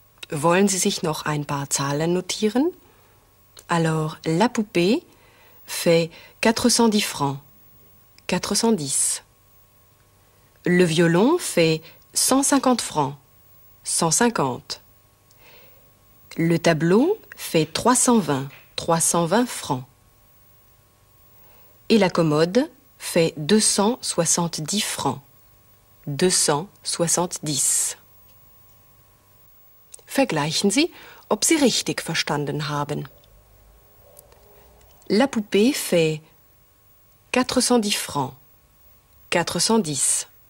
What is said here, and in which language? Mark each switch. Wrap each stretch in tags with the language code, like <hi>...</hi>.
<de>Wollen Sie sich noch ein paar Zahlen notieren?</de> <fr>Alors, la poupée fait 410 francs. 410. Le violon fait 150 francs. 150. Le tableau fait 320. 320 francs. Et la commode fait 270 francs. 270.</fr> <de>Vergleichen Sie, ob Sie richtig verstanden haben.</de> <fr>La poupée fait 410 francs. 410.</fr>